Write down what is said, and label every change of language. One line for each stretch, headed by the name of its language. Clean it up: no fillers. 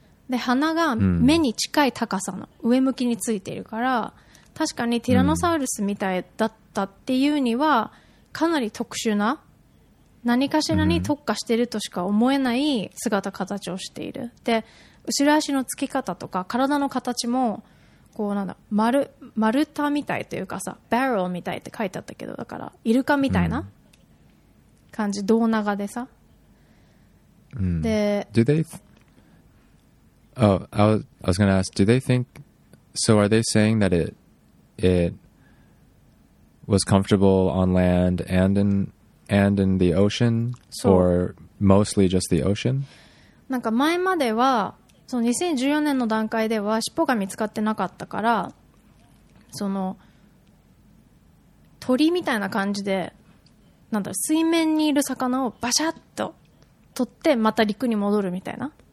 Japanese: で、鼻が目に近い高さの、うん、上向きについているから、確かにティラノサウルスみたいだったっていうには、うん、かなり特殊な、何かしらに特化してるとしか思えない姿形をしている。で、後ろ足のつき方とか体の形もこうなんだ 丸太みたいというかさバレルみたいって書いてあったけどだからイルカみたいな感じ、うん、胴長でさ、うん、で
English: Do they I was going to ask Do they think So are they saying that it was comfortable on land and in the ocean or mostly just the ocean?
Japanese: なんか前まではその2014年の段階では尻尾が見つかってなかったからその鳥みたいな感じでなんだろう水面にいる魚をバシャッと取ってまた陸に戻るみたいな